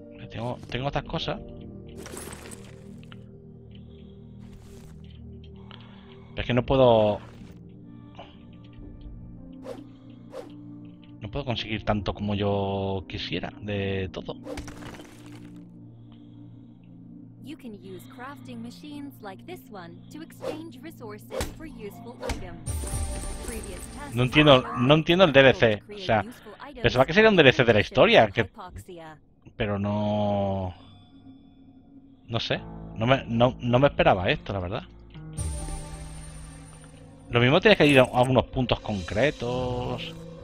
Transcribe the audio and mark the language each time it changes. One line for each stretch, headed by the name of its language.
Spanish: Tengo estas cosas. Pero es que no puedo conseguir tanto como yo quisiera de todo.
English: You can use crafting machines like this one to exchange resources for useful items.
Spanish: No entiendo el DLC. O sea, pensaba que sería un DLC de la historia, que... Pero no. No sé. No me esperaba esto, la verdad. Lo mismo tienes que ir a unos puntos concretos.